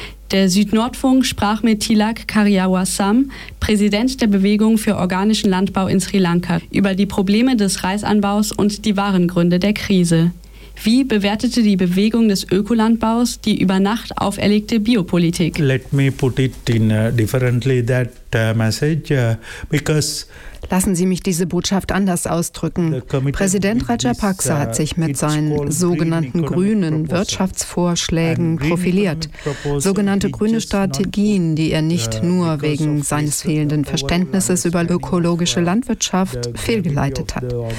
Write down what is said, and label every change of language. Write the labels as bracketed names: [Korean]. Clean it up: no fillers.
[German] Der Südnordfunk sprach mit Tilak Kariawasam, Präsident der Bewegung für organischen Landbau in Sri Lanka, über die Probleme des Reisanbaus und die wahren Gründe der Krise. Wie bewertete die Bewegung des Ökolandbaus die über Nacht auferlegte Biopolitik? [English] Let me put it in differently that message because [German] lassen Sie mich diese Botschaft anders ausdrücken. Präsident Rajapaksa hat sich mit seinen sogenannten grünen Wirtschaftsvorschlägen profiliert. Sogenannte grüne Strategien, die er nicht nur wegen seines fehlenden Verständnisses über ökologische Landwirtschaft fehlgeleitet hat.